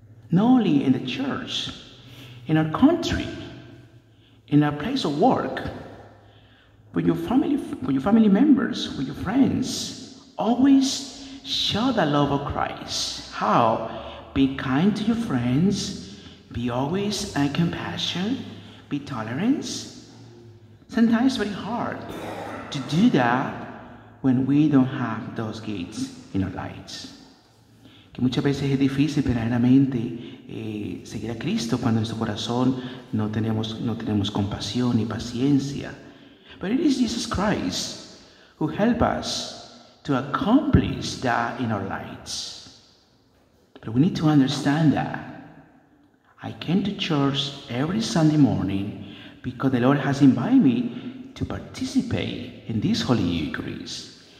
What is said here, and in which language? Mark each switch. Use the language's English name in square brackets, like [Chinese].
[English] Not only in the church, in our country, in our place of work, with your family, members, with your friends, always show the love of Christ. How? Be kind to your friends, be always in compassion, be tolerance. Sometimes it's very hard to do that when we don't have those gates in our lives. [Spanish] Que muchas veces es difícil verdaderamente seguir a Cristo cuando en nuestro corazón no tenemos compasión y paciencia. [English] But it is Jesus Christ who helps us to accomplish that in our lives. But we need to understand that. I came to church every Sunday morning because the Lord has invited me to participate in this Holy Eucharist.